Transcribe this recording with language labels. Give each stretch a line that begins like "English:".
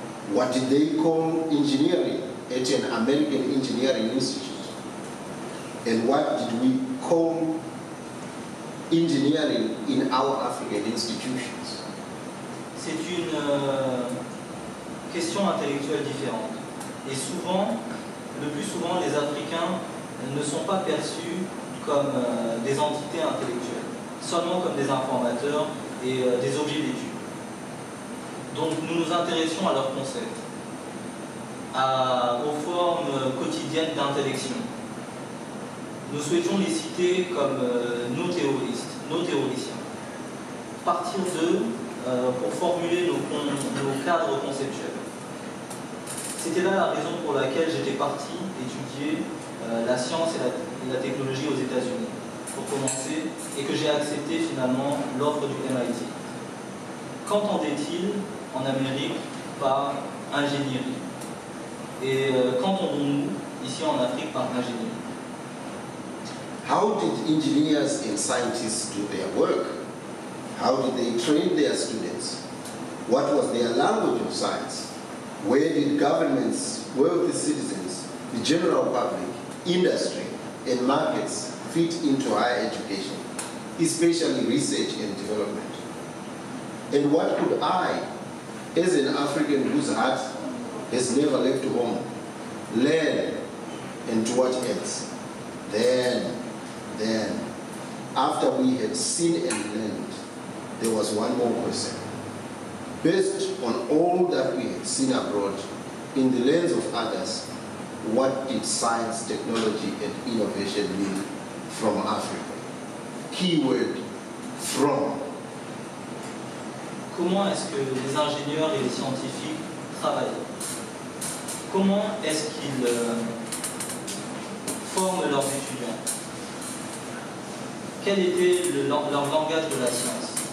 English: What did they call engineering at an American engineering institute? And what did we call engineering in our African institutions?
French: C'est une question intellectuelle différente. Et souvent, le plus souvent, les Africains ne sont pas perçus comme des entités intellectuelles, seulement comme des informateurs et des objets d'étude. Donc nous nous intéressons à leurs concepts, aux formes quotidiennes d'intellection. Nous souhaitions les citer comme nos théoristes, nos théoriciens, partir d'eux pour formuler nos cadres conceptuels. C'était là la raison pour laquelle j'étais parti étudier la science et la technologie aux États-Unis pour commencer et que j'ai accepté finalement l'offre du MIT. Qu'entendait-il en Amérique par ingénierie? Et qu'entendons-nous ici en Afrique par ingénierie?
English: How did engineers and scientists do their work? How did they train their students? What was their language of science? Where did governments, wealthy citizens, the general public, industry, and markets fit into higher education, especially research and development? And what could I, as an African whose heart has never left home, learn, and to what else? Then, after we had seen and learned, there was one more question. Based on all that we had seen abroad, in the lens of others, what did science, technology, and innovation mean from Africa? Keyword, from.
French: Comment est-ce que les ingénieurs et les scientifiques travaillent? Comment est-ce qu'ils forment leurs étudiants? Quel était leur langage de la science?